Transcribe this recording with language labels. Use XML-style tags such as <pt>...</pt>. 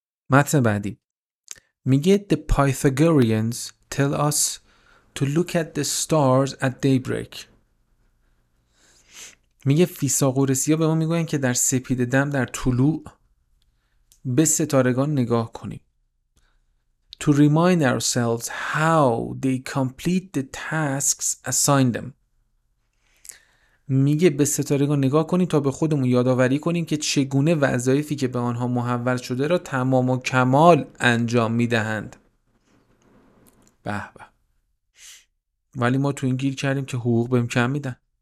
<fa>متن بعدی میگه</fa> <en>The Pythagoreans tell us to look at the stars at daybreak.</en> <fa>میگه فیثاغورسی ها به ما میگوین که در سپیده دم در طلوع به ستارگان نگاه کنیم.</fa> <en>To remind ourselves how they complete the tasks assigned them.</en> <fa>میگه به ستارگان نگاه کنیم تا به خودمون یادآوری کنیم که چگونه وظایفی که به آنها محول شده را تمام و کمال انجام میدهند. به به. ولی ما تو این گیر کردیم که حقوق بهم کم میدن.</fa>